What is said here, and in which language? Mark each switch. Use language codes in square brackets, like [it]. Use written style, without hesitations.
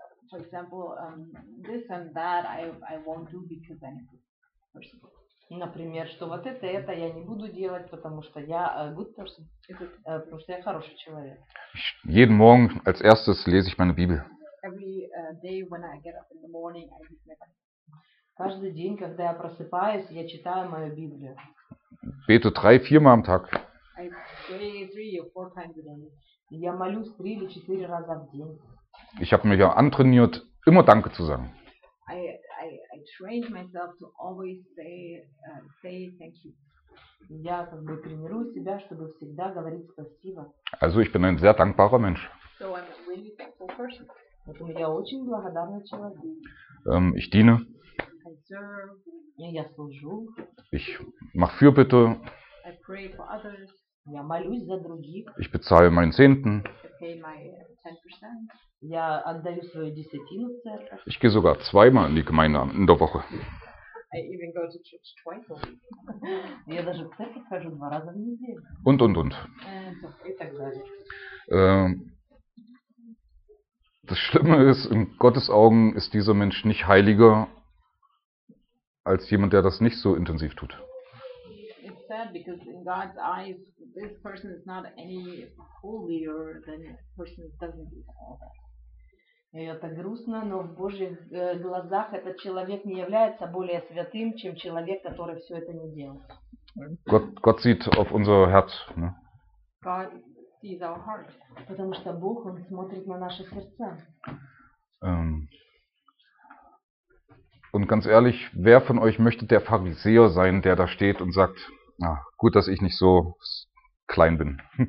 [en] For example, this and that I won't do because I'm a good person. [ru] Например, что вот это я не буду делать, потому что я [en] good person. [ru] Потому что я хороший человек. [de] Jeden Morgen als erstes lese ich meine Bibel. [en] Every day when I get up in the morning, I read my Bible. [ru] Каждый день, когда я просыпаюсь, я читаю мою Библию. [de] Бету 3-4 Mal am Tag. [en] I pray 3 or 4 times a day. [ru] Я молюсь 3 или 4 раза в день. [de] Ich habe mich auch antrainiert, immer Danke zu sagen. [en] I trained myself to always say thank you. [ru] Я как бы тренирую себя, чтобы всегда говорить спасибо. [de] Also ich bin ein sehr dankbarer Mensch. [en] So I'm a really thankful person. [ru] Поэтому я очень благодарный человек. [de] Ich diene. [en] I serve. [ru] Я служу. [de] Ich mache Fürbitte. [en] I pray for others. [ru] Я молюсь за других. [de] Ich bezahle meinen Zehnten. [en] I pay my 10%. [ru] Я отдаю свою десятину в церковь. [de] Ich gehe sogar 2-mal in die Gemeinde in der Woche. [en] I even go to church twice a week. [ru] Я даже в церковь хожу 2 раза в неделю. [de] Und. [ru] И так далее. [de] Das Schlimme ist, in Gottes Augen ist dieser Mensch nicht heiliger als jemand, der das nicht so intensiv tut. [en] It's sad because in God's eyes this person is not any holier than a person who doesn't do all that. [ru] Это грустно, но в Божьих глазах этот человек не является более святым, чем человек, который все это не делает. [de] Gott sieht auf unser Herz. Ne? [en] God sees our heart. [ru] Потому что Бог, Он смотрит на наши сердца. [de] Und ganz ehrlich, wer von euch möchte der Pharisäer sein, der da steht und sagt, ah, gut, dass ich nicht so klein bin.